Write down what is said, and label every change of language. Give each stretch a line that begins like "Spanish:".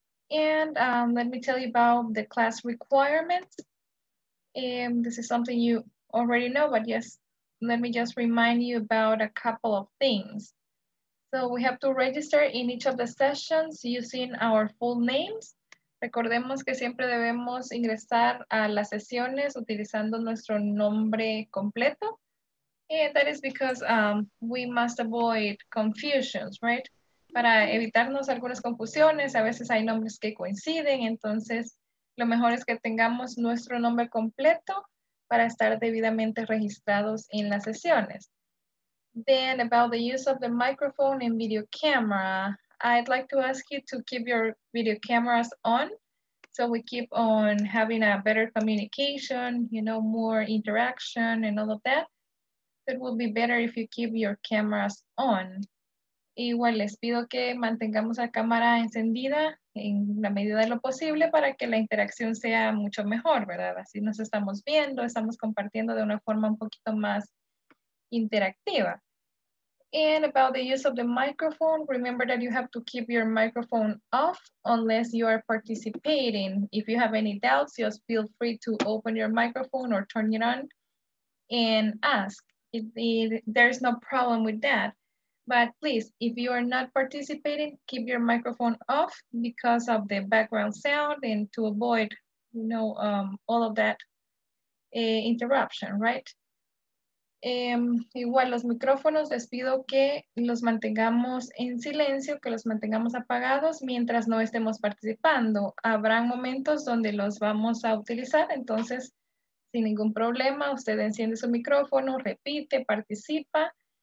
English: And let me tell you about the class requirements. And this is something you already know, but yes, let me just remind you about a couple of things. So we have to register in each of the sessions using our full names.
Spanish: Recordemos que siempre debemos ingresar a las sesiones utilizando nuestro nombre completo.
English: And that is because we must avoid confusions, right?
Spanish: Para evitarnos algunas confusiones, a veces hay nombres que coinciden. Entonces, lo mejor es que tengamos nuestro nombre completo para estar debidamente registrados en las sesiones.
English: Then about the use of the microphone and video camera, I'd like to ask you to keep your video cameras on so we keep on having a better communication, you know, more interaction and all of that. It will be better if you keep your cameras on.
Spanish: Igual les pido que mantengamos la cámara encendida en la medida de lo posible para que la interacción sea mucho mejor, ¿verdad? Así nos estamos viendo, estamos compartiendo de una forma un poquito más interactiva.
English: And about the use of the microphone, remember that you have to keep your microphone off unless you are participating. If you have any doubts, just feel free to open your microphone or turn it on and ask. There's no problem with that. But please, if you are not participating, keep your microphone off because of the background sound and to avoid, you know, all of that interruption, right?
Spanish: Igual, los micrófonos, les pido que los mantengamos en silencio, que los mantengamos apagados mientras no estemos participando. Habrán momentos donde los vamos a utilizar, entonces, sin ningún problema, usted enciende su micrófono, repite, participa.